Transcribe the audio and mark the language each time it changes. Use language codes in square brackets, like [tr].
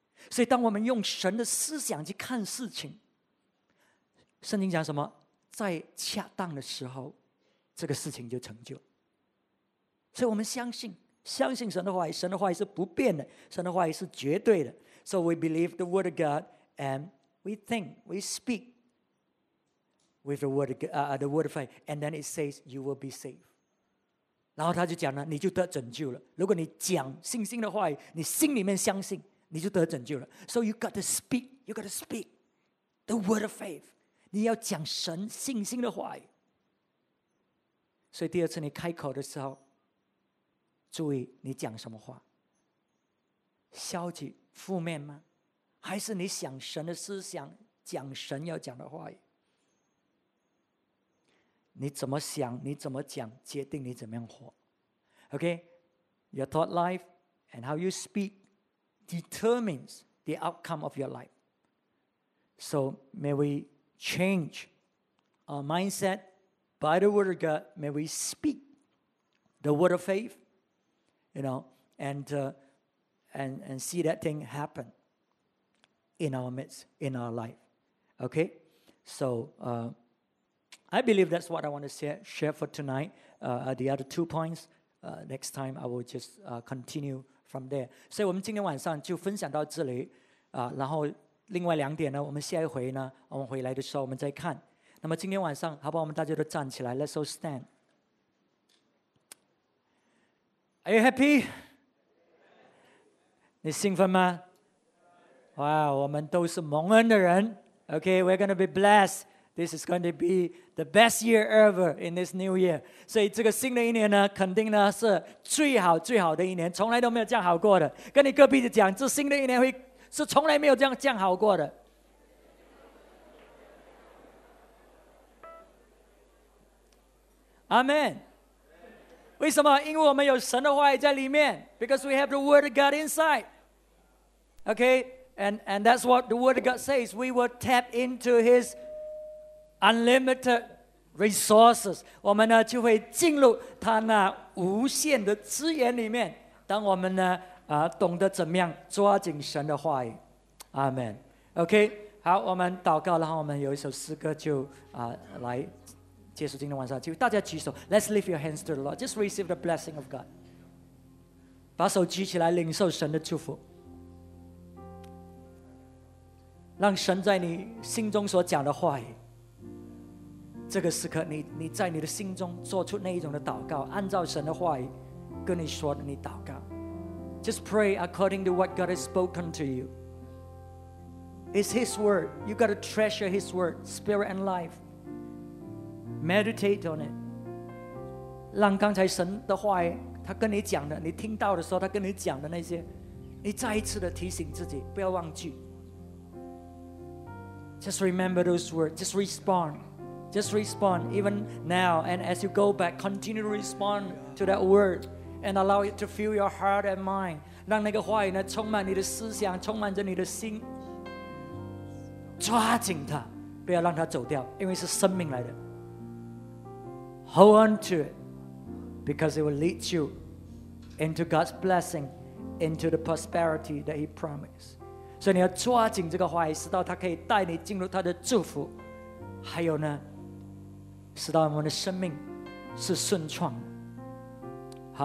[zh] 所以当我们用神的思想去看事情，圣经讲什么？在恰当的时候，这个事情就成就。所以我们相信，相信神的话语，神的话语是不变的，神的话语是绝对的。 [en] So we believe the word of God, and we think, we speak with the word of faith, and then it says you will be saved. [zh] 然后他就讲了，你就得拯救了。如果你讲信心的话语，你心里面相信，你就得拯救了。 [en] So you got to speak, you got to speak the word of faith. [zh] 你要讲神信心的话语。所以第二次你开口的时候，注意你讲什么话，消极负面吗？还是你想神的思想，讲神要讲的话语？你怎么想，你怎么讲，决定你怎么样活。 [en] OK, your thought life and how you speak determines the outcome of your life. So may we change our mindset by the word of God. May we speak the word of faith, you know, and see that thing happen in our midst, in our life. Okay? So, I believe that's what I want to share for tonight. The other 2 points, next time I will just continue from there. [zh] 所以我们今天晚上就分享到这里，然后另外两点呢，我们下一回呢，我们回来的时候我们再看。那么今天晚上，好不好我们大家都站起来 ， [en] Let's all stand. Are you happy? [zh] 你兴奋吗？哇、wow, ，我们都是蒙恩的人。 [en] Okay, we're going to be blessed. This is going to be the best year ever in this new year. [zh] 所以这个新的一年呢，肯定呢是最好最好的一年，从来都没有这样好过的。跟你隔壁的讲，这新的一年会是从来没有这样好过的。 Amen. 为什么？因为我们有神的话语在里面。 [en] Because we have the word of God inside. Okay? And that's what the word of God says. We will tap into his unlimited resources. [zh] 我们呢就会进入他那无限的资源里面。当我们呢懂得怎么样抓紧神的话语。 [en] Amen. Okay? [zh] 好，我们祷告，然后我们有一首诗歌就来结束今天晚上，就大家举手。 [en] Let's lift your hands to the Lord. Just receive the blessing of God. [zh] 把手举起来，领受神的祝福。让神在你心中所讲的话语，这个时刻你在你的心中做出那一种的祷告，按照神的话语跟你说的，你祷告。 [en] Just pray according to what God has spoken to you. It's His word. You got to treasure His word, spirit and life. Meditate on it. [zh] 让刚才神的话语，他跟你讲的，你听到的时候，他跟你讲的那些，你再一次的提醒自己，不要忘记。 [en] Just remember those words. Just respond. Just respond. Even now, and as you go back, continue to respond to that word, and allow it to fill your heart and mind. [zh] 让那个话语呢，充满你的思想，充满着你的心。抓紧它，不要让它走掉，因为是生命来的。 [en] Hold on to it because it will lead you into God's blessing, into the prosperity that He promised. [zh] 所以你要抓紧这个话语，使到它可以带你进入它的祝福，还有呢，使到我们的生命是顺畅的。